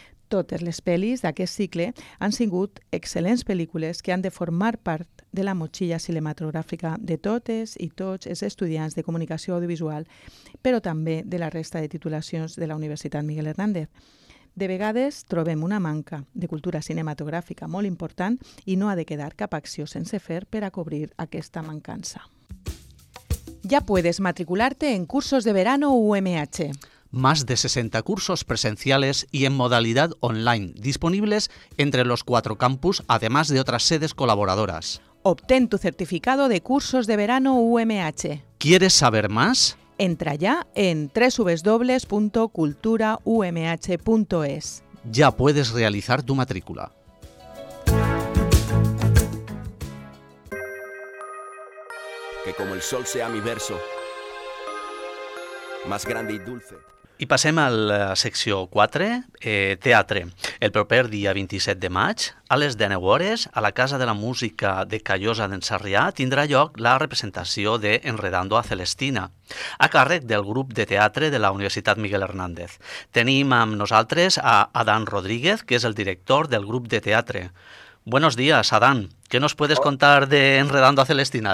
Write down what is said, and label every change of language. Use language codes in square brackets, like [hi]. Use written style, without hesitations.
[ca] Totes les pel·lis d'aquest cicle han sigut excel·lents pel·lícules que han de formar part de la motxilla cinematogràfica de totes i tots els estudiants de comunicació audiovisual, però també de la resta de titulacions de la Universitat Miguel Hernández. De vegades trobem una manca de cultura cinematogràfica molt important i no ha de quedar cap acció sense fer per a cobrir aquesta mancança. [es] Ja puedes matricularte en cursos de verano UMH. Más de 60 cursos presenciales y en modalidad online disponibles entre los 4 campus, además de otras sedes colaboradoras. Obtén tu certificado de cursos de verano UMH. ¿Quieres saber más? Entra ya en www.culturaumh.es. Ya puedes realizar tu matrícula. Que como el sol sea mi verso, más grande y dulce. [ca] I passem a la secció 4, teatre. El proper dia 27 de maig, a les 19 hores, a la Casa de la Música de Callosa d'en Sarrià, tindrà lloc la representació de Enredando a Celestina, a càrrec del grup de teatre de la Universitat Miguel Hernández. Tenim amb nosaltres a Adán Rodríguez, que és el director del grup de teatre. [es] Buenos días, Adán. ¿Qué nos puedes contar de Enredando a Celestina?